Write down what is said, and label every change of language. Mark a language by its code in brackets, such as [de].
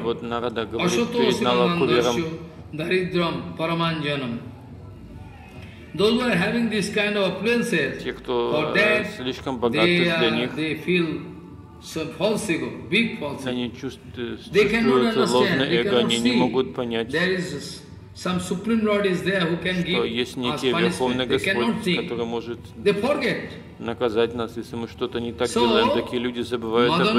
[ru] Вот Нарада говорит перед Налкубаром. [sa] Даридрам параманджанам. [en] Those who are having this kind of appearances, for that, [ru] слишком богаты для них. [en] They feel so false ego, big false ego. [ru] Они чувствуют ложное эго, они не могут понять. [en] There is some supreme lord is there who can give. [ru] Что есть некий верховный господь, который может. [en] They forget. [ru] Наказать нас, если мы что-то не так делаем, такие люди забывают об этом.